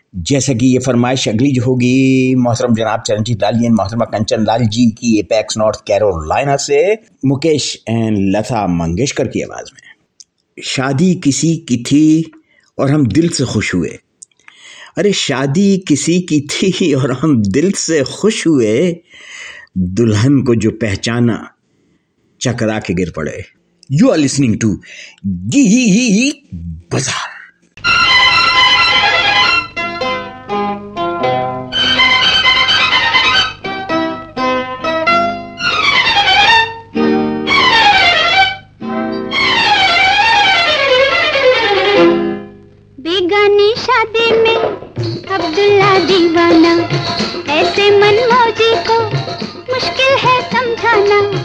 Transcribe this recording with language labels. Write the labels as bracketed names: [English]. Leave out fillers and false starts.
[Hindi] जैसा कि ये फरमाइश अगली जो होगी मोहतरम जनाब चरणजीत लाल जी एंड मोहतरमा कंचन लाल जी की, एपेक्स नॉर्थ कैरोलिना से मुकेश एंड लता मंगेशकर की आवाज़ में। शादी किसी की थी और हम दिल से खुश हुए। अरे शादी किसी की थी और हम दिल से खुश हुए। दुल्हन को जो पहचाना चकरा के गिर पड़े। [English] You are listening to Geet Bazaar. [Hindi] बेगानी शादी में अब्दुल्ला दीवाना, ऐसे मनमौजी को मुश्किल है समझाना।